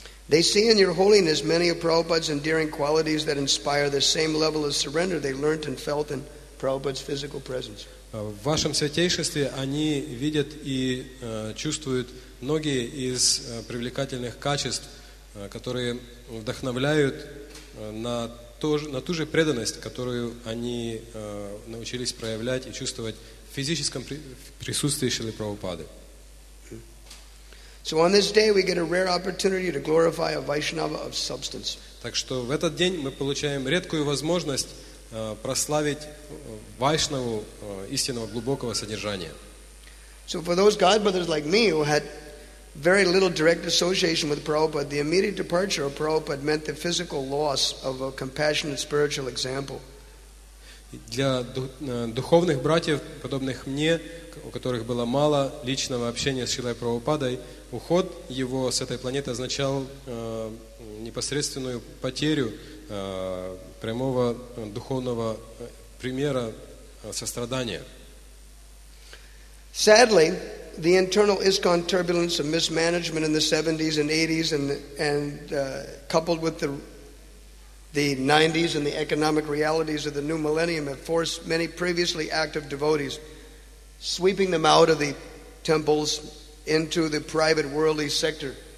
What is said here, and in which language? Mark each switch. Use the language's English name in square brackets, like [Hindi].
[English] They see in your holiness many of Prabhupada's endearing qualities that inspire the same level of surrender they learned and felt in Prabhupada's physical presence. [Russian] В вашем святейшестве они видят и чувствуют многие из привлекательных качеств, которые вдохновляют на ту же преданность, которую они научились проявлять и чувствовать в физическом присутствии Шрилы Прабхупады. [English] So on this day we get a rare opportunity to glorify a Vaishnava of substance. [Russian] Так что в этот день мы получаем редкую возможность прославить вайшнаву истинного глубокого содержания. [English] So for those God brothers like me who had very little direct association with Prabhupada, the immediate departure of Prabhupada meant the physical loss of a compassionate spiritual example. [Russian] Для духовных братьев, подобных мне, у которых было мало личного общения с Шрилой Прабхупадой, уход его с этой планеты означал непосредственную потерю прямого духовного примера сострадания. [English] Sadly, the internal ISKCON turbulence of mismanagement in the 70s and 80s coupled with the 90s and the economic realities of the new millennium have forced many previously active devotees, sweeping them out of the temples into the private worldly sector.